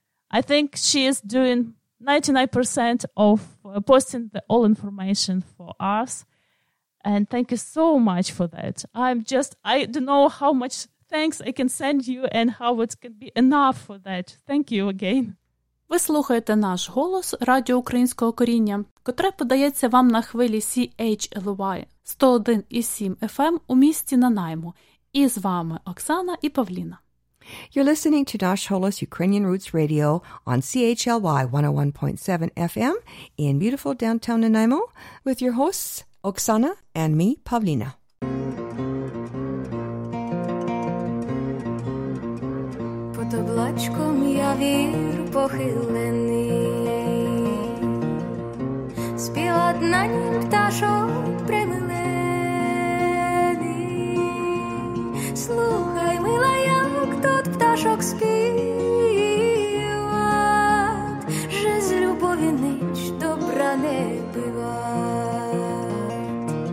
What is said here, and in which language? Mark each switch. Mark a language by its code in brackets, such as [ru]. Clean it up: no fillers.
[en] I think she is doing 99% of posting the all information for us. And thank you so much for that. I don't know how much thanks I can send you and how it can be enough for that. Thank you again. [uk] Ви слухаєте наш голос Радіо Українського коріння, котре подається вам на хвилі CHLY 101.7 FM у місті Нанаймо. І з вами Оксана і Павліна. [en] You're listening to Nash Holos Ukrainian Roots Radio on CHLY 101.7 FM in beautiful downtown Nanaimo with your hosts, Oksana, and me, Pavlina. [rue] Под облачком я вір похилений, співат на нім пташок примилений. Слухай, мила, як тот пташок співат, же з любові нич добра не бивать.